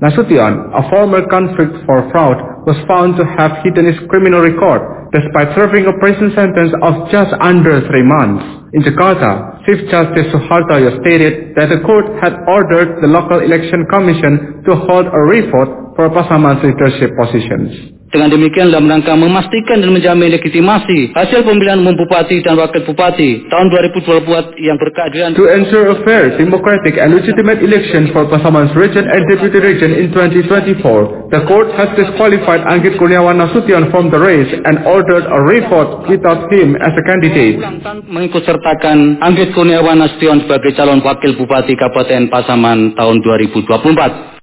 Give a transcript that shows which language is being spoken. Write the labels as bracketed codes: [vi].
[en] Nasution, a former convict for fraud, was found to have hidden his criminal record despite serving a prison sentence of just under 3 months. In Jakarta, Chief Justice Suhartoyo stated that the court had ordered the local election commission to hold a revote proposal on leadership positions. [id] Dengan demikian dalam rangka memastikan dan menjamin legitimasi hasil pemilihan umum bupati dan wakil bupati tahun 2024 yang berkeadilan. [en] To ensure a fair, democratic and legitimate election for Pasaman's region and deputy region in 2024, the court has disqualified Anggit Kurniawan Nasution from the race and ordered a revote without him as a candidate. [id] Mengikut sertakan Anggit Kurniawan Nasution sebagai calon wakil bupati Kabupaten Pasaman tahun 2024.